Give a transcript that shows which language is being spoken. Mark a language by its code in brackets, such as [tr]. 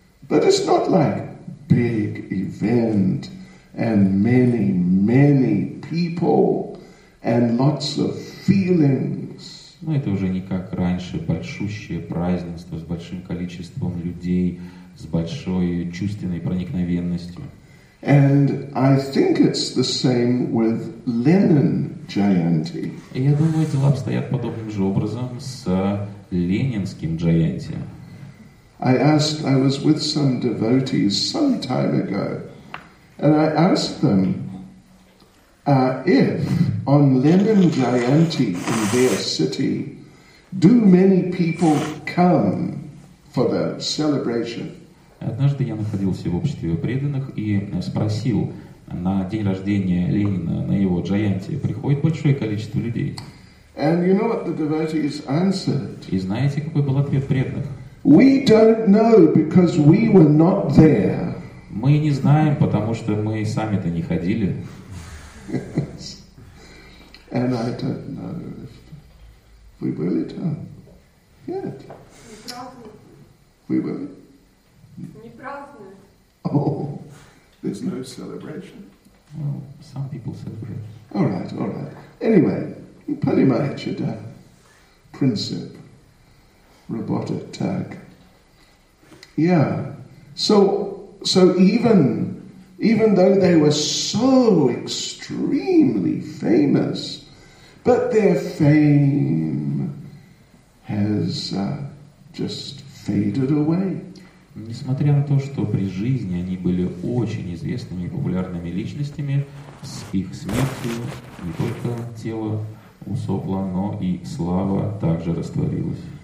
[en] But it's not like big event and many, many people and lots of feelings. [ru] Но это уже не как раньше, большущее празднество с большим количеством людей, с большой чувственной проникновенностью. [en] And I think it's the same with Lenin Jayanti. [ru] И я думаю, дела обстоят подобным же образом с ленинским Джаянти. [en] I was with some devotees some time ago, and I asked them if on Lenin Jayanti in their city, do many people come for the celebration? [ru] Однажды я находился в обществе преданных и спросил, на день рождения Ленина, на его Джаянти, приходит большое количество людей? [en] And you know what the devotees answered? [ru] И знаете, какой был ответ преданных? [en] We don't know because we were not there. [ru] Мы не знаем, потому что мы сами-то не ходили. [en] And I don't know if we will it yet. We will. [ru] Не празднуют. [en] Oh, there's no celebration. Well, some people celebrate. All right. Anyway, Palimachita Princip. Robotic tag. Yeah. So even though they were so extremely famous, but their fame has just faded away. [ru] Несмотря на то, что при жизни они были очень известными и популярными личностями, с их смертью не только тело усохло, но и слава также растворилась.